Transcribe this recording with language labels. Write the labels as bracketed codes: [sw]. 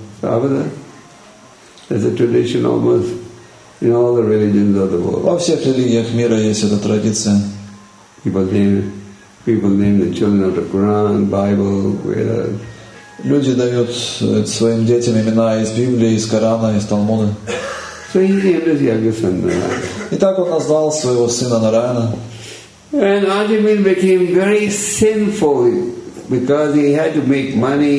[ru] Правда? [en] There's a tradition almost in all the religions of the world. [ru] Во всех религиях мира есть эта традиция. [en] People name the children after Quran, Bible, Vedas. [ru] Люди дают своим детям имена из Библии, из Корана, из Талмуда. [en] So he named his youngest son Narayan. [ru] И так он назвал своего сына Нараяна. [en] And Ajamila became very sinful because he had to make money.